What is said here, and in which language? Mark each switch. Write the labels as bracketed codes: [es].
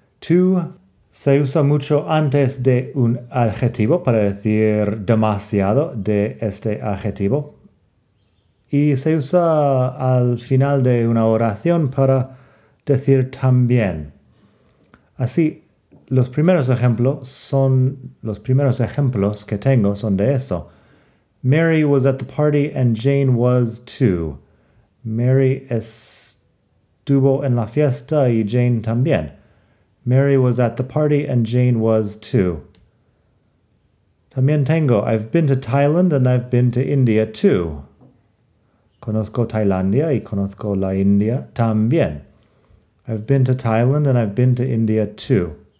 [es] Two se usa mucho antes de un adjetivo para decir demasiado de este adjetivo. Y se usa al final de una oración para decir también. Así, los primeros ejemplos que tengo son de eso. [en] Mary was at the party and Jane was too. [es] Mary estuvo en la fiesta y Jane también. [en] Mary was at the party and Jane was too. [es] También tengo, [en] I've been to Thailand and I've been to India too. [es] Conozco Tailandia y conozco la India también. [en] I've been to Thailand and I've been to India too.